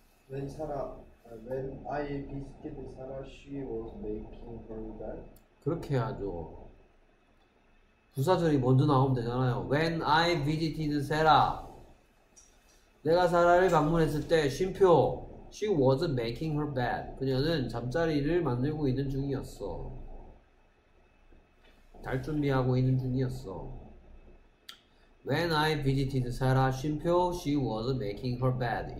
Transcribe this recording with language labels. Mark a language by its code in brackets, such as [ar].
[en] When Sarah, when I visited Sarah, she was making her bed. [ko] 그렇게 해야죠. 부사절이 먼저 나오면 되잖아요. [en] When I visited Sarah, [ko] 내가 사라를 방문했을 때 쉼표. [en] She was making her bed. [ko] 그녀는 잠자리를 만들고 있는 중이었어. 잘 준비하고 있는 중이었어. [en] When I visited Sarah 쉼표, she was making her bed.